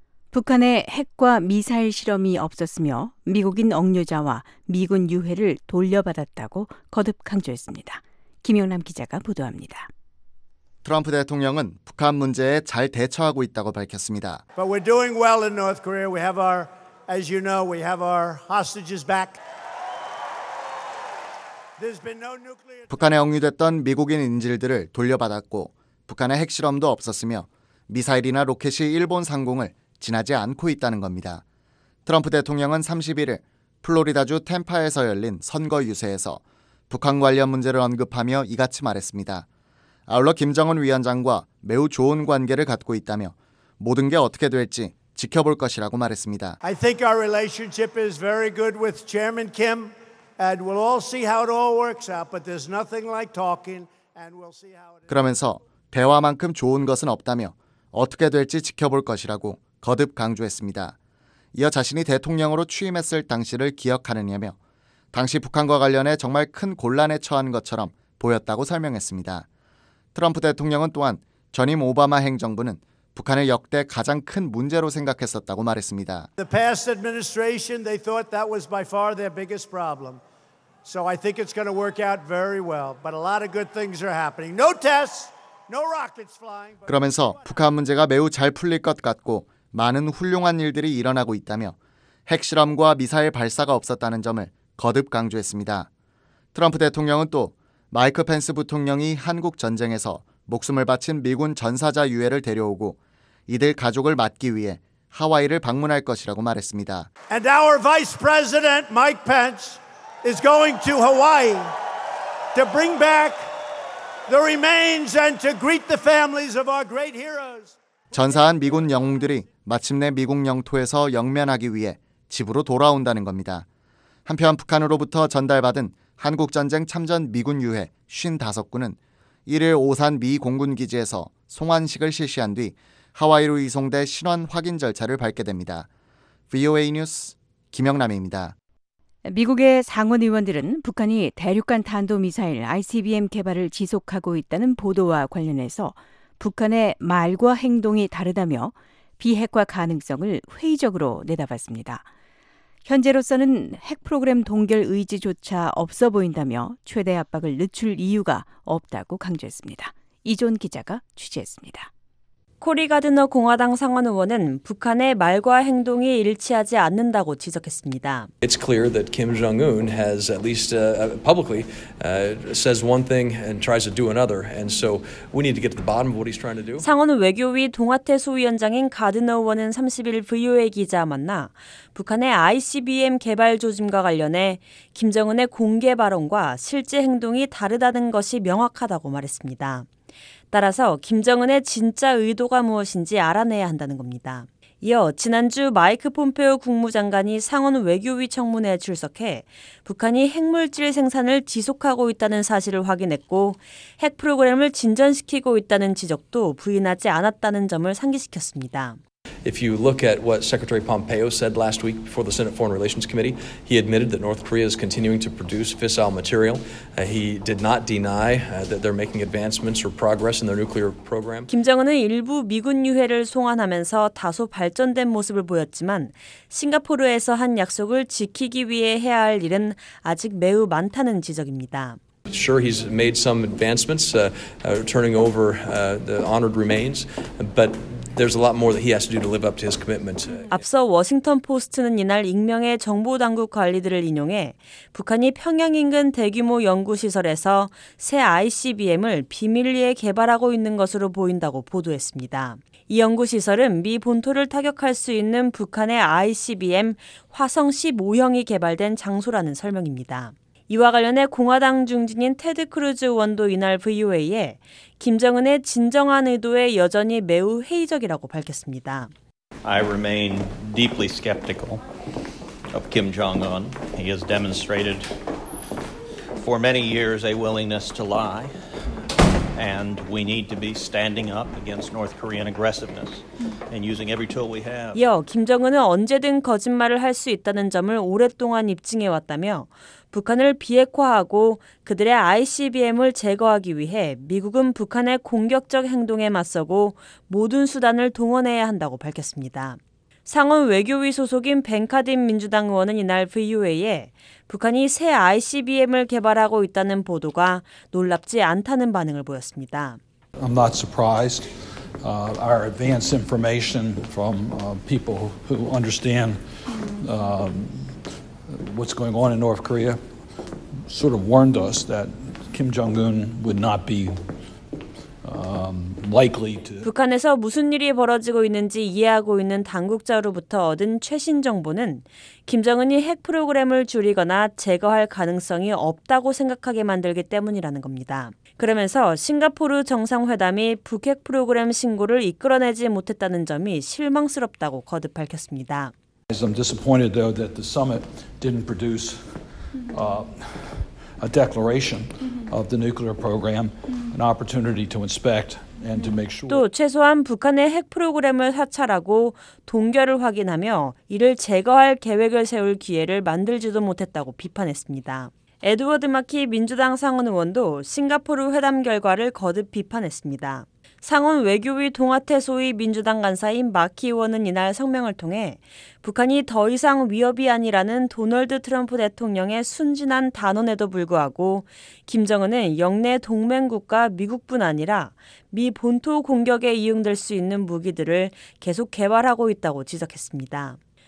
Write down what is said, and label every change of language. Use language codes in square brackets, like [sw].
[ko] 북한의 핵과 미사일 실험이 없었으며 미국인 억류자와 미군 유해를 돌려받았다고 거듭 강조했습니다. 김영남 기자가 보도합니다. 트럼프 대통령은 북한 문제에 잘 대처하고 있다고 밝혔습니다. [en] But we're doing well in North Korea. We have our, as you know, we have our hostages back. There's been no nuclear. [ko] 북한에 억류됐던 미국인 인질들을 돌려받았고 북한의 핵실험도 없었으며 미사일이나 로켓이 일본 상공을 지나지 않고 있다는 겁니다. 트럼프 대통령은 31일 플로리다주 템파에서 열린 선거 유세에서 북한 관련 문제를 언급하며 이같이 말했습니다. 아울러 김정은 위원장과 매우 좋은 관계를 갖고 있다며 모든 게 어떻게 될지 지켜볼 것이라고 말했습니다. [en] I think our relationship is very good with Chairman Kim and we'll all see how it all works out but there's nothing like talking and we'll see how it [ko] 그러면서 대화만큼 좋은 것은 없다며 어떻게 될지 지켜볼 것이라고 거듭 강조했습니다. 이어 자신이 대통령으로 취임했을 당시를 기억하느냐며 당시 북한과 관련해 정말 큰 곤란에 처한 것처럼 보였다고 설명했습니다. 트럼프 대통령은 또한 전임 오바마 행정부는 북한을 역대 가장 큰 문제로 생각했었다고 말했습니다. [en] The past administration, they thought that was by far their biggest problem. So I think it's going to work out very well. But a lot of good things are happening. No tests, no rockets flying. [ko] 그러면서 북한 문제가 매우 잘 풀릴 것 같고 많은 훌륭한 일들이 일어나고 있다며 핵실험과 미사일 발사가 없었다는 점을 거듭 강조했습니다. 트럼프 대통령은 또 마이크 펜스 부통령이 한국 전쟁에서 목숨을 바친 미군 전사자 유해를 데려오고 이들 가족을 맡기 위해 하와이를 방문할 것이라고 말했습니다. [en] And our Vice President Mike Pence is going to Hawaii to bring back the remains and to greet the families of our great heroes. [ko] 전사한 미군 영웅들이 마침내 미국 영토에서 영면하기 위해 집으로 돌아온다는 겁니다. 한편 북한으로부터 전달받은 한국전쟁 참전 미군 유해 55군은 1일 오산 미 공군기지에서 송환식을 실시한 뒤 하와이로 이송돼 신원 확인 절차를 밟게 됩니다. VOA 뉴스 김영남입니다. 미국의 상원 의원들은 북한이 대륙간 탄도미사일 ICBM 개발을 지속하고 있다는 보도와 관련해서 북한의 말과 행동이 다르다며 비핵화 가능성을 회의적으로 내다봤습니다. 현재로서는 핵 프로그램 동결 의지조차 없어 보인다며 최대 압박을 늦출 이유가 없다고 강조했습니다. 이존 기자가 취재했습니다. 코리 가드너 공화당 상원 의원은 북한의 말과 행동이 일치하지 않는다고 지적했습니다. [en] It's clear that Kim Jong-un has at least publicly says one thing and tries to do another. And so we need to get to the bottom of what he's trying to do. [ko] 상원 외교위 동아태 소위원장인 가드너 의원은 30일 VOA 기자와 만나 북한의 ICBM 개발 조짐과 관련해 김정은의 공개 발언과 실제 행동이 다르다는 것이 명확하다고 말했습니다. 따라서 김정은의 진짜 의도가 무엇인지 알아내야 한다는 겁니다. 이어 지난주 마이크 폼페오 국무장관이 상원 외교위 청문회에 출석해 북한이 핵물질 생산을 지속하고 있다는 사실을 확인했고 핵 프로그램을 진전시키고 있다는 지적도 부인하지 않았다는 점을 상기시켰습니다. [en] If you look at what Secretary Pompeo said last week before the Senate Foreign Relations Committee, he admitted that North Korea is continuing to produce fissile material. He did not deny that they're making advancements or progress in their nuclear program. [ko] 김정은은 일부 미군 유해를 송환하면서 다소 발전된 모습을 보였지만 싱가포르에서 한 약속을 지키기 위해 해야 할 일은 아직 매우 많다는 지적입니다. [en] Sure, he's made some advancements, turning over the honored remains, but There's a lot more that he has to do to live up to his commitment. [ko] 앞서 워싱턴 포스트는 이날 익명의 정보 당국 관리들을 인용해 북한이 평양 인근 대규모 연구 시설에서 새 ICBM을 비밀리에 개발하고 있는 것으로 보인다고 보도했습니다. 이 연구 시설은 미 본토를 타격할 수 있는 북한의 ICBM 화성 15형이 개발된 장소라는 설명입니다. 이와 관련해 공화당 중진인 테드 크루즈 의원도 이날 VOA에 김정은의 진정한 의도에 여전히 매우 회의적이라고 밝혔습니다. [en] I remain deeply skeptical of Kim Jong-un. He has demonstrated for many years a willingness to lie. And we need to be standing up against North Korean aggressiveness and using every tool we have. [ko] 이어 김정은은 언제든 거짓말을 할 수 있다는 점을 오랫동안 입증해 왔다며 북한을 비핵화하고 그들의 ICBM을 제거하기 위해 미국은 북한의 공격적 행동에 맞서고 모든 수단을 동원해야 한다고 밝혔습니다. 상원 외교위 소속인 벤카딘 민주당 의원은 이날 VOA에 북한이 새 ICBM을 개발하고 있다는 보도가 놀랍지 않다는 반응을 보였습니다. [en] I'm not surprised. Our advanced information from people who understand what's going on in North Korea sort of warned us that Kim Jong-un would not be likely to [ko] 북한에서 무슨 일이 벌어지고 있는지 이해하고 있는 당국자로부터 얻은 최신 정보는 김정은이 핵 프로그램을 줄이거나 제거할 가능성이 없다고 생각하게 만들기 때문이라는 겁니다. 그러면서 싱가포르 정상회담이 북핵 프로그램 신고를 이끌어내지 못했다는 점이 실망스럽다고 거듭 밝혔습니다. [en] I'm disappointed though that the summit didn't produce a declaration of the nuclear program, an opportunity to inspect and to make sure. [ko] 또 최소한 북한의 핵 프로그램을 사찰하고 동결을 확인하며 이를 제거할 계획을 세울 기회를 만들지도 못했다고 비판했습니다. 에드워드 마키 민주당 상원 의원도 싱가포르 회담 결과를 거듭 비판했습니다. 상원 외교위 동아태 소위 민주당 간사인 마키 의원은 이날 성명을 통해 북한이 더 이상 위협이 아니라는 도널드 트럼프 대통령의 순진한 단언에도 불구하고 김정은은 영내 동맹국과 미국뿐 아니라 미 본토 공격에 이용될 수 있는 무기들을 계속 개발하고 있다고 지적했습니다.